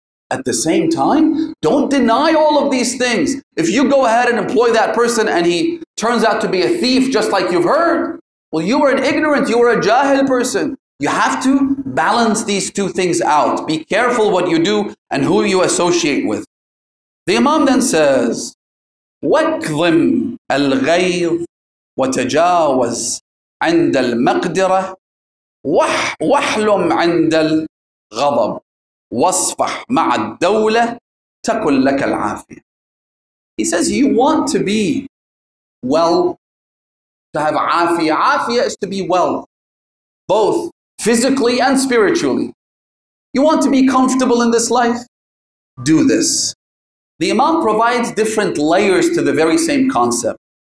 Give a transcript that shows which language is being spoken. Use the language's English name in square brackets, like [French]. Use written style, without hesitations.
[English] At the same time, don't deny all of these things. If you go ahead and employ that person and he turns out to be a thief just like you've heard, well, you are an ignorant, you are a jahil person. You have to balance these two things out. Be careful what you do and who you associate with. The Imam then says, [Arabic] وَكْظِمْ الْغَيْظِ وَتَجَاوَزْ عِنْدَ الْمَقْدِرَةِ وَحْلُمْ عِنْدَ الْغَضَبِ وَاصْفَحْ مَعَ الدَّوْلَةِ تَكُلْ لَكَ الْعَافِيَةِ. [English] He says you want to be well, to have afia. Afia is to be well, both physically and spiritually. You want to be comfortable in this life? Do this. The Imam provides different layers to the very same concept.